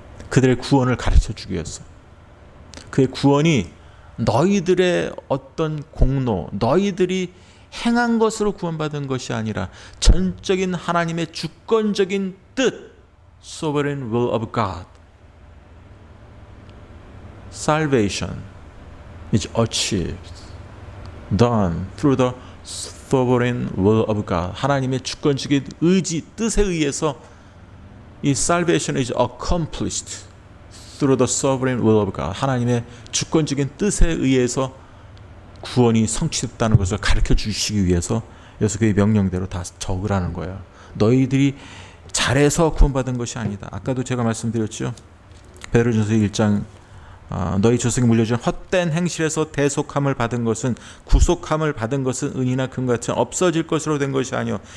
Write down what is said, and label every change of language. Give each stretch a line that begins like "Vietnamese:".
Korean: 그들의 구원을 가르쳐 주기 위해서. 그의 구원이 너희들의 어떤 공로, 너희들이 행한 것으로 구원받은 것이 아니라 전적인 하나님의 주권적인 뜻,
English: Sovereign will of God. Salvation is achieved, done through the sovereign will of God.
Korean: 하나님의 주권적인 의지, 뜻에 의해서 이
English: salvation is accomplished through the sovereign will of God.
Korean: 하나님의 주권적인 뜻에 의해서 구원이 성취됐다는 것을 가르쳐 주시기 위해서 여기서 그의 명령대로 다 적으라는 거예요. 너희들이 잘해서 구원받은 것이 아니다. 아까도 제가 말씀드렸죠. 베드로전서 1장 너희 조상이 물려준 헛된 행실에서 대속함을 받은 것은 구속함을 받은 것은 은이나 금 같은 없어질 것으로 된 것이 아니오.